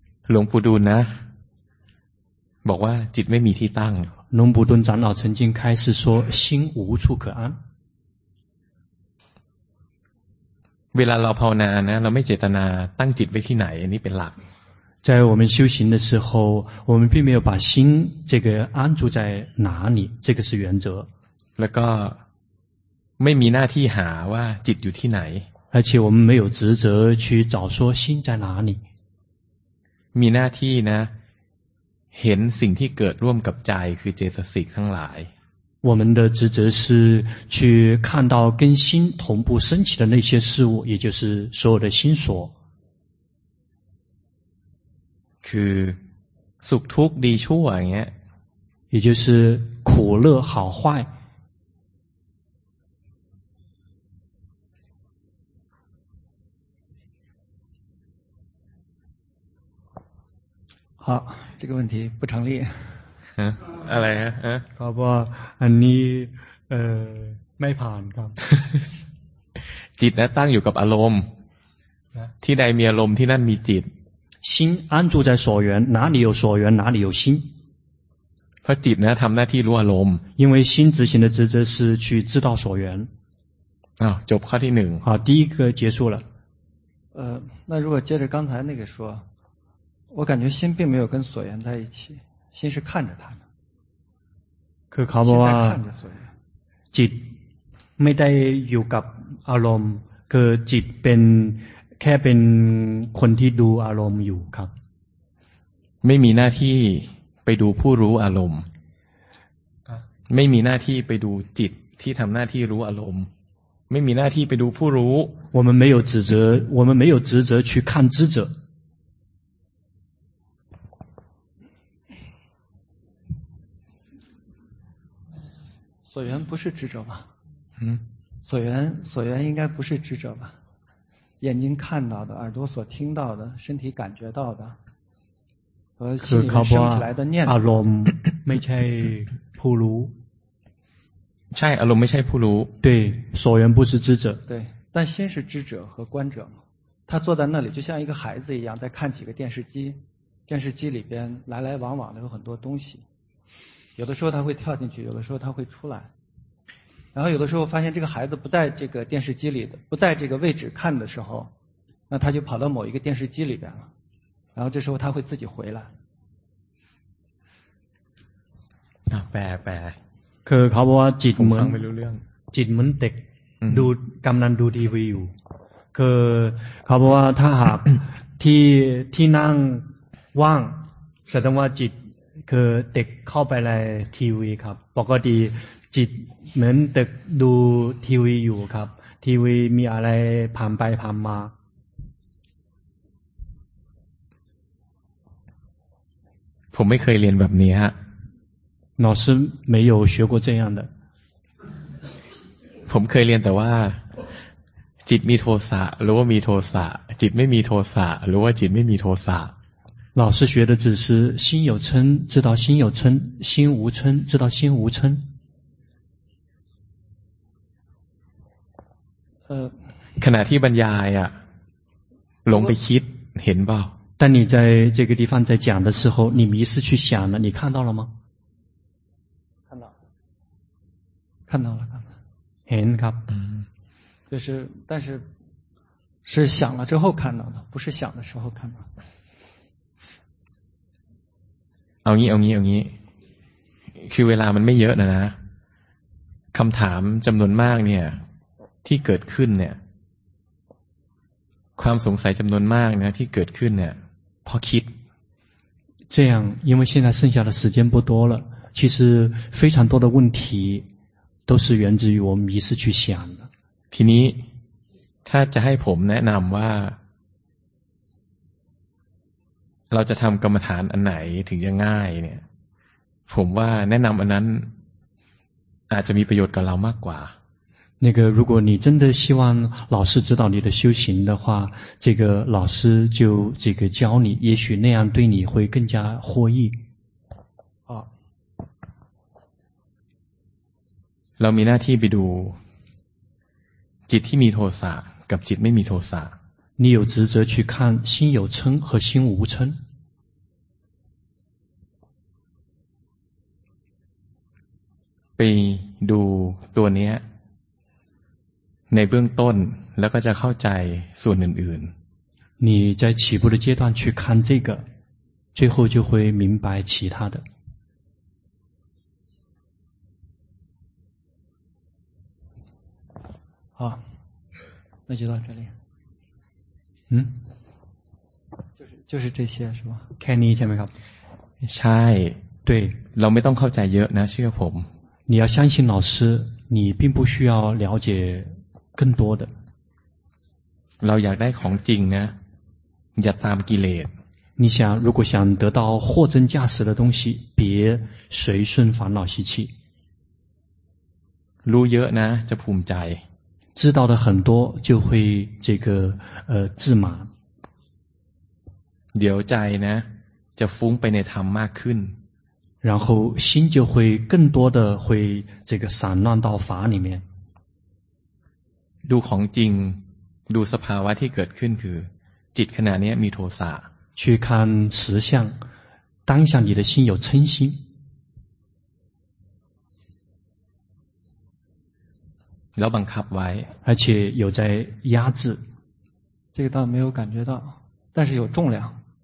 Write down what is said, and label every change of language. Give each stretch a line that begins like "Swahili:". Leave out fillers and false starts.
Thai: หลวงปู่ดูลนะบอกว่าจิตไม่มีที่ตั้ง
Chinese: หลวงปู่ดุลย์长老曾经开始说心无处可安
Thai: เวลาเราภาวนานะเราไม่เจตนาตั้งจิตไว้ที่ไหนอันนี้เป็นหลัก
Chinese: 在我们修行的时候我们并没有把心这个安住在哪里这个是原则
Thai: แล้วก็ไม่มีหน้าที่หาว่าจิตอยู่ที่ไหน
Chinese: 而且我们没有职责去找说心在哪里
Thai: มีหน้าที่นะเห็นสิ่งที่เกิดร่วมกับใจคือเจตสิกทั้งหลาย
Chinese: 我们的职责是去看到跟心同步升起的那些事物也就是所有的心所
Thai: คือสุขทุกข์ดีชั่วอย่างเงี้ย
Chinese: 也就是苦乐好坏好这个问题不成立。嗯，阿雷，嗯，好不好？你
Thai: ไม่ผ่านครับ จิตนะตั้งอยู่กับอารมณ์ที่ใดมีอารมณ์ที่นั่นมีจิต
Chinese: 心安住在所缘哪里有所缘哪里有心
Thai: เพราะจิตนะทำหน้าที่รู้อารมณ์
Chinese: 因为心执行的职责是去知道所缘
Thai: จบข้อที่หนึ่ง
Chinese: 好第一个结束了那如果接着刚才那个说我感觉心并没有跟所缘在一起心是看着他们
Thai: คือเขาบอกว่าจิตไม่ได้อยู่กับอารมณ์คือจิตเป็นแค่เป็นคนที่ดูอารมณ์อยู่ครับ ไม่มีหน้าที่ไปดูผู้รู้อารมณ์ไม่มีหน้าที่ไปดูจิตที่ทำหน้าที่รู้อารมณ์ไม่มีหน้าที่ไปดูผู้รู้
Chinese: 我们没有职责我们没有职责去看知者所缘不是执着吧？嗯，所缘应该不是执着吧？眼睛看到的，耳朵所听到的，身体感觉到的，和心里生起来的念头。阿罗没
Thai: ใช่ผู้รู้ใช่อารมณ์ไม่ใช่ผู้รู้
Chinese: 对，所缘不是执者。对，但心是执者和观者嘛？他坐在那里，就像一个孩子一样，在看几个电视机，电视机里边来来往往的有很多东西。有的时候他会跳进去，有的时候他会出来，然后有的时候发现这个孩子不在这个电视机里的，不在这个位置看的时候，那他就跑到某一个电视机里边了，然后这时候他会自己回来。啊，拜拜。
Thai: 可เขาบอกว่าจิตเหมือนจิตเหมือนเด็กดูกำลังดูทีวีอยู่คือเขาบอกว่าถ้าหากที่นั่งว่างแสดงว่าจิตคือเด็กเข้าไปในทีวีครับปกติจิตเหมือนเด็กดูทีวีอยู่ครับทีวีมีอะไรผ่านไปผ่านมา ผมไม่เคยเรียนแบบนี้ฮะ
Chinese: 老师没有学过这样的
Thai: ผมเคยเรียนแต่ว่าจิตมีโทสะหรือว่ามีโทสะจิตไม่มีโทสะหรือว่าจิตไม่มีโทสะ
Chinese: 老师学的只是心有嗔，知道心有嗔；心无嗔，知道心无嗔。
Thai: ขณะที่บรรยายอ่ะหลงไปคิดเห็นเปล่า
Chinese: 但你在这个地方在讲的时候，你迷失去想了，你看到了吗？看到了。
Thai: เห็นครับ。
Chinese: 就是，但是是想了之后看到的，不是想的时候看到的。
Thai: เอางี้คือเวลามันไม่เยอะนะคำถามจำนวนมากเนี่ยที่เกิดขึ้นเนี่ยความสงสัยจำนวนมากนะที่เกิดขึ้นเนี่ยพอคิด
Chinese: 这样因为现在剩下的时间不多了其实非常多的问题都是源自于我迷失去想的
Thai: ทีนี้ถ้าจะให้ผมแนะนำว่าเราจะทำกรรมฐานอันไหนถึงจะง่ายเนี่ยผมว่าแนะนำอันนั้นอาจจะมีประโยชน์กับเรามากกว่า
Chinese: 那个如果你真的希望老师指导你的修行的话这个老师就这个教你也许那样对你会更加获益哦
Thai: เรามีหน้าที่ไปดูจิตที่มีโทสะกับจิตไม่มีโทสะ
Chinese: 你有职责去看心有嗔和心无嗔。
Thai: ไปดูตัวเนี้ยในเบื้องต้นแล้วก็จะเข้าใจส่วนอื่น
Chinese: ๆ你在起步的阶段去看这个最后就会明白其他的好那就到这里就是这些是吧
Thai: แค่นี้ใช่ไหมครับ ใช่
Chinese: 对
Thai: เราไม่ต้องเข้าใจเยอะนะเชื่อผม
Chinese: 你要相信老师你并不需要了解更多的
Thai: เราอยากได้ของจริงนะอย่าตามกิเลส
Chinese: 你想如果想得到货真价实的东西别随顺烦恼习气
Thai: รู้เยอะนะจะภูมิใจ
Chinese: 知道的很多就会这个自满
Thai: เดี๋ยวใจนะจะฟุ้งไปในธรรมมากขึ้น
Chinese: 然后心就会更多的会这个散乱到法里面
Thai: ดูของจริงดูสภาวะที่เกิดขึ้นคือจิตขณะนี้มีโทสะ
Chinese: 去看实相当下你的心有嗔心
Thai: แล้วบังคับไว้
Chinese: 而且有在压制这个倒没有感觉到但是有重量